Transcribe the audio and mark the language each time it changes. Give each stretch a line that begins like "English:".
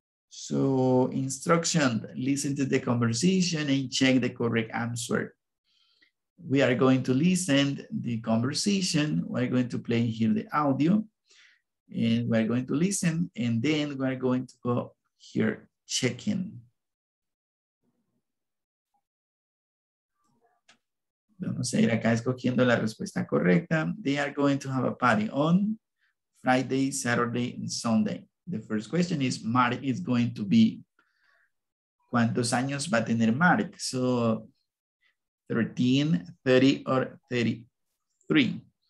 English: So instruction, listen to the conversation and check the correct answer. We are going to listen the conversation. We're going to play here the audio and we're going to listen and then we're going to go here checking.
Spanish: Vamos a ir acá escogiendo la respuesta correcta.
English: They are going to have a party on Friday, Saturday, and Sunday. The first question is, Mark is going to be,
Spanish: ¿cuántos años va a tener Mark?
English: So, 13, 30, or 33.